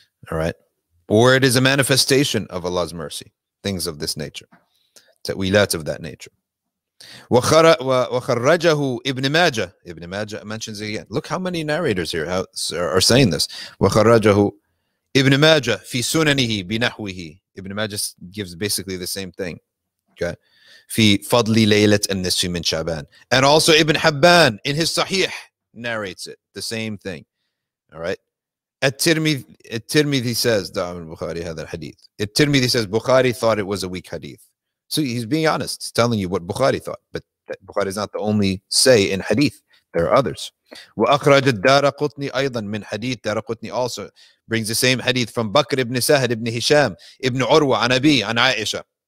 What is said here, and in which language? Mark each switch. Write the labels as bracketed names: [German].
[English] All right. Or it is a manifestation of Allah's mercy, things of this nature, ta'wilat of that nature. [Arabic] وَخَرَّجَهُ [English] Ibn Majah. Ibn Majah mentions it again. Look how many narrators here are saying this. [Arabic] وَخَرَّجَهُ Ibn Majah فِي سُنَنِهِ بِنَحْوِهِ. [English] Ibn Majah gives basically the same thing. Okay. [Arabic] فِي فَضْلِ لَيْلَةِ النِّسْفِ مِنْ شَعْبَانِ. [English] And also Ibn Hibban in his Sahih narrates it. The same thing. All right. At-Tirmidhi says, [Arabic] دَعَمُ الْبُخَارِ هَذَا الْحَدِيثِ. [English] At-Tirmidhi says, Bukhari thought it was a weak hadith. So he's being honest, he's telling you what Bukhari thought. But Bukhari is not the only say in hadith. There are others. [Arabic] وأخرج الدارقطني أيضا من حديث دارقطني [English] also brings the same hadith from [Arabic] Bakr ibn Sahad ibn Hisham ibn Urwa an Abi an Aisha.